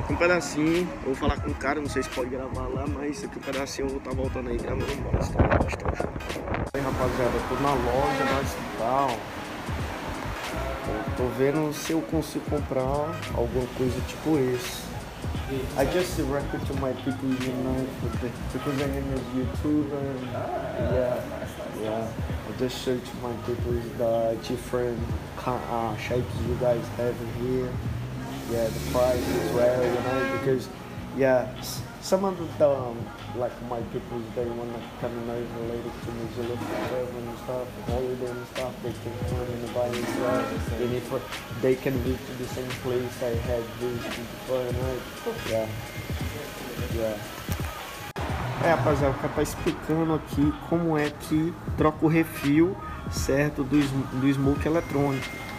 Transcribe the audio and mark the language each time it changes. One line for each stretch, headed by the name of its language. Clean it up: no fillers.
Portuguese: Aqui um pedacinho, eu vou falar com o cara, não sei se pode gravar lá, mas aqui um pedacinho eu vou estar voltando aí, né? Mas vamos embora, vamos estar lá. Aí, rapaziada, eu tô na loja da Cital. Tô vendo se eu consigo comprar alguma coisa tipo esse.
English: I just record to my people in the night because I am a YouTuber. I just showed to my people the different shapes you guys have here. Yeah, the price as well, you know, because yeah, some of the like my people, they wanna come and know related to New Zealand and stuff, holiday and stuff, they can come and buy as well. And if they can be to the same place I had this before, right? Yeah.
Portuguese: É, rapaziada, o cara tá explicando aqui como é que troca o refil, certo, do smoke eletrônico.